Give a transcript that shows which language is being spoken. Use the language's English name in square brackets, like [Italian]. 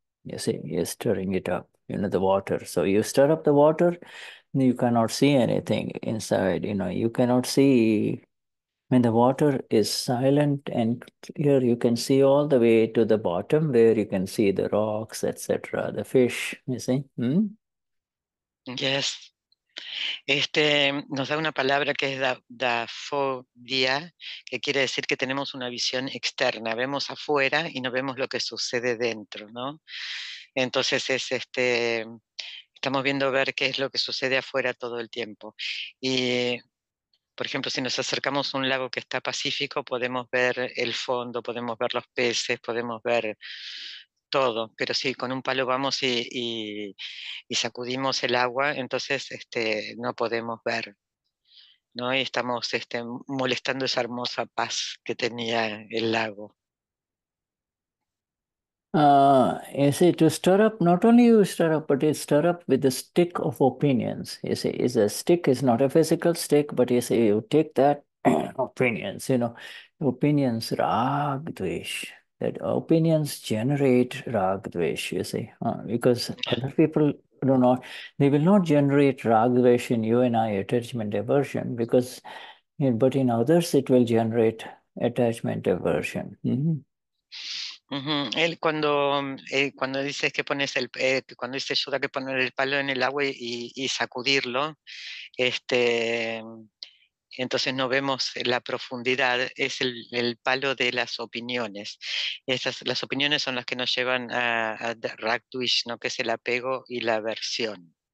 [English] You see, you're stirring it up. You know, the water. So you stir up the water, and you cannot see anything inside. You know, you cannot see. When the water is silent and clear, you can see all the way to the bottom where you can see the rocks, etc., the fish, you see? Yes. [Spanish] Nos da una palabra que es daphodia, que quiere decir que tenemos una visión externa. Vemos afuera y no vemos lo que sucede dentro, ¿no? Entonces es estamos viendo ver qué es lo que sucede afuera todo el tiempo. Y por ejemplo, si nos acercamos a un lago que está pacífico, podemos ver el fondo, podemos ver los peces, podemos ver todo. Pero si con un palo vamos y sacudimos el agua, entonces no podemos ver, ¿no? Y estamos molestando esa hermosa paz que tenía el lago. [English] You see, to stir up, not only you stir up, but you stir up with the stick of opinions. You see, is a stick is not a physical stick, but you see, you take that opinions, you know, opinions, rag, dvish, that opinions generate rag, dvish, you see, because other people do not, they will not generate rag, dvish in you and I, attachment, aversion, because, you know, but in others, it will generate attachment, aversion. [Spanish] Él cuando dices que pones el cuando dice Yuda que poner el palo en el agua y sacudirlo, entonces no vemos la profundidad, es el palo de las opiniones. Las opiniones son las que nos llevan a Ragdwish, ¿no? Que es el apego y la aversión.